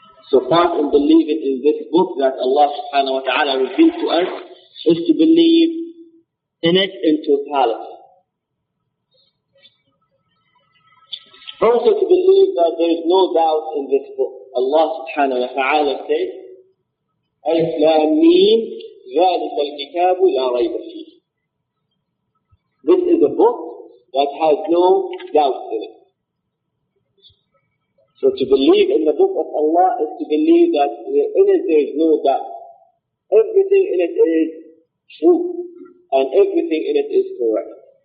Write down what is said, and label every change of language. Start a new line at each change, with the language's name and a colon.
English: So part of believing in this book that Allah subhanahu wa ta'ala revealed to us is to believe in it in totality. Also to believe that there is no doubt in this book. Allah subhanahu wa ta'ala says,
Arabic: أَلْفْ لَا مِنْ ذَلِكَ الْكِتَابُ لَا رَيْبَ فِيهِ.
English: This is a book that has no doubt in it. So to believe in the book of Allah is to believe that in it there is no doubt. Everything in it is true and everything in it is correct.